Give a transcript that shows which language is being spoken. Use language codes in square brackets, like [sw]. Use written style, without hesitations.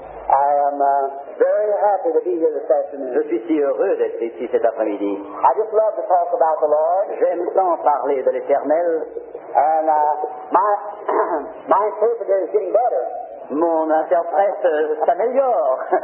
[en] I am very happy to be here this afternoon. [fr] Je suis si heureux d'être ici cet après-midi. [en] I just love to talk about the Lord. [fr] J'aime tant parler de l'Éternel. [en] And my interpreter is getting better. [fr] Mon interprète s'améliore.